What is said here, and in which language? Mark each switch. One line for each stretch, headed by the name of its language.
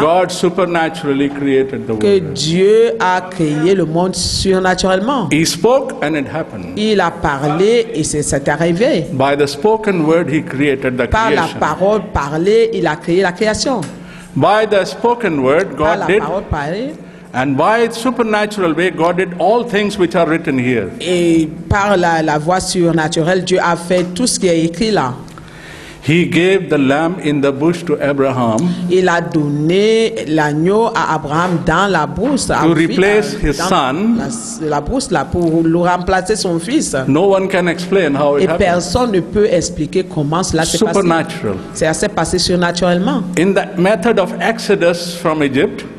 English: God supernaturally created the world.
French: Que Dieu a créé le monde surnaturellement.
English: He spoke and it happened.
French: Il a parlé et c'est arrivé.
English: By the spoken word, he created the
French: par
English: creation.
French: La parole parlée, il a créé la création.
English: By the spoken word, God
French: par la
English: did,
French: parole parlée.
English: And by supernatural way, God did all things which are written here.
French: Et par la voie surnaturelle, Dieu a fait tout ce qui est écrit là.
English: He gave the lamb in the bush to Abraham.
French: Il a donné l'agneau à Abraham dans la brousse.
English: To replace his son.
French: La brousse là pour le remplacer son fils.
English: No one can explain how it happened.
French: Et personne ne peut expliquer comment cela s'est passé.
English: Supernatural.
French: Ça s'est passé surnaturellement.
English: In the method of Exodus from Egypt.